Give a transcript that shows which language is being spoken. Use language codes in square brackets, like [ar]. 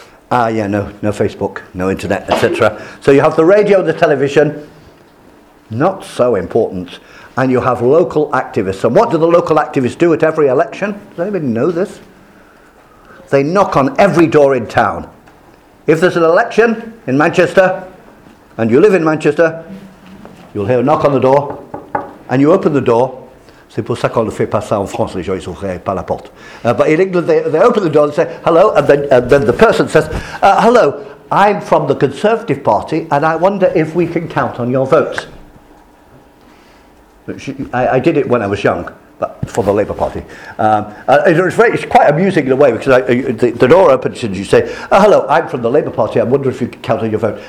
[en] No Facebook, no internet, etc. So you have the radio and the television, not so important, and you have local activists. And what do the local activists do at every election? Does anybody know this? They knock on every door in town. If there's an election in Manchester, and you live in Manchester, you'll hear a knock on the door, and you open the door. [fr] C'est pour ça qu'on ne fait pas ça en France, les gens, ils ouvrent pas la porte. [en] But in England, they open the door and say, hello, and then the person says, hello, I'm from the Conservative Party, and I wonder if we can count on your votes. I did it when I was young, but for the Labour Party. It's quite amusing in a way, because the door opens and you say, hello, I'm from the Labour Party, I wonder if you can count on your vote.